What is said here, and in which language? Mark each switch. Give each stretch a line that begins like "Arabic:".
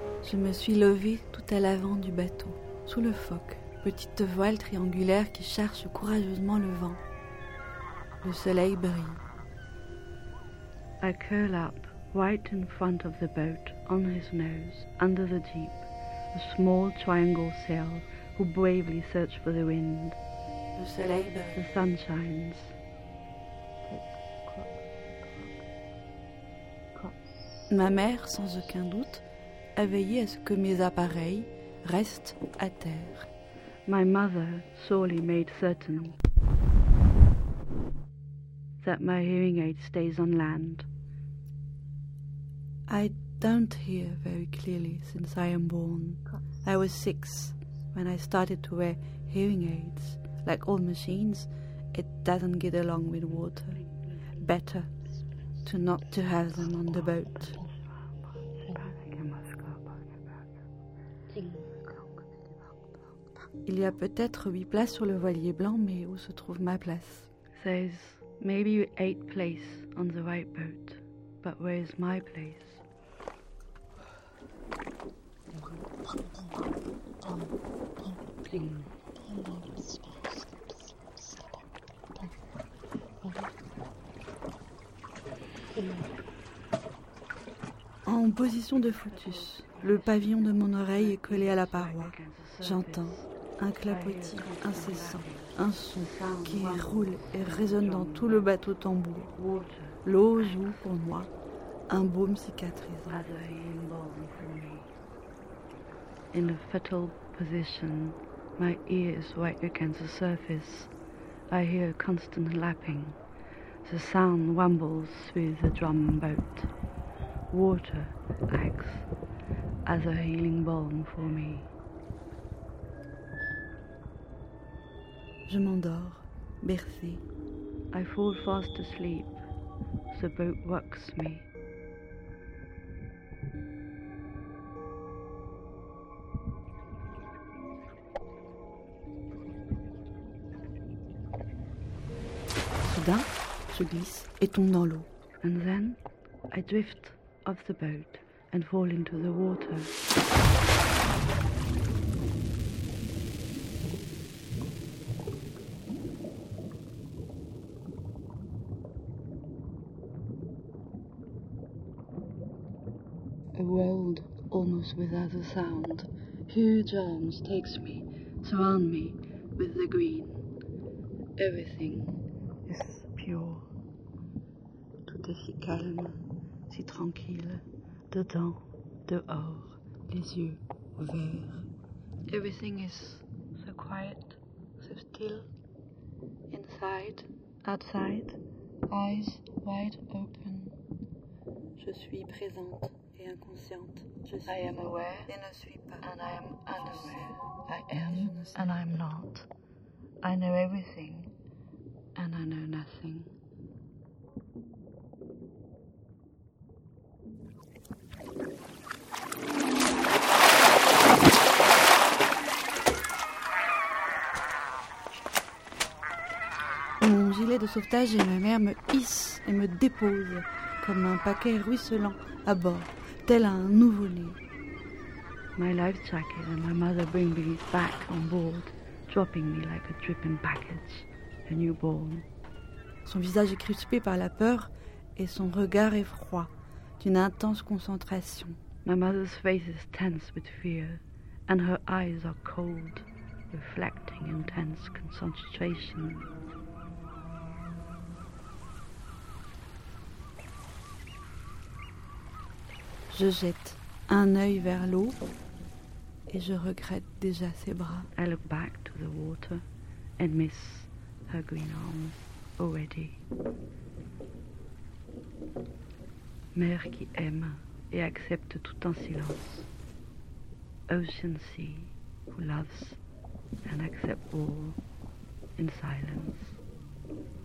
French: Je me suis levée tout à l'avant du bateau, sous le foc, petite voile triangulaire qui cherche courageusement le vent. Le soleil brille.
English: I curl up, right in front of the boat, on his nose, under the deep, a small triangle sail who bravely search for the wind.
French: Le soleil brille.
English: The sun shines.
French: Ma mère, sans aucun doute, à veiller à ce que mes appareils restent à terre.
English: My mother sorely made certain that my hearing aid stays on land. I don't hear very clearly since I am born. I was six when I started to wear hearing aids. Like all machines, it doesn't get along with water. Better to not to have them on the boat.
French: Il y a peut-être 8 places sur le voilier blanc, mais où se trouve ma place?
English: There's maybe 8 places on the white boat, but where is my place?
French: En position de foetus, le pavillon de mon oreille est collé à la paroi. J'entends un clapotis incessant, un son qui roule et résonne dans tout le bateau tambour. L'eau joue pour moi un baume cicatrisant.
English: In a fetal position, my ear is right against the surface. I hear a constant lapping. The sound rumbles through the drum boat. Water acts as a healing balm for me.
French: Je m'endors, bercée.
English: I fall fast asleep. The boat rocks me.
French: Soudain, je glisse et tombe dans l'eau.
English: And then, I drift off the boat and fall into the water. World almost without a sound. Huge arms takes me, surround me with the green. Everything is pure.
French: Tout est si calme, si tranquille. Dedans, dehors, les yeux ouverts.
English: Everything is so quiet, so still. Inside, outside, eyes wide open.
French: Je suis présente. Et inconsciente. Je suis
English: I am aware
French: et ne suis pas.
English: And I am unaware. I am and I am not. I know everything and I know nothing.
French: Mon gilet de sauvetage et ma mère me hissent et me déposent comme un paquet ruisselant à bord. Tel un nouveau-né.
English: My life jacket and my mother bring me back on board, dropping me like a dripping package, a newborn.
French: Son visage est crispé par la peur et son regard est froid, d'une intense concentration.
English: My mother's face is tense with fear, and her eyes are cold, reflecting intense concentration.
French: Je jette un œil vers l'eau et je regrette déjà ses bras.
English: I look back to the water and miss her green arms already.
French: Mère qui aime et accepte tout en silence.
English: Ocean sea who loves and accepts all in silence.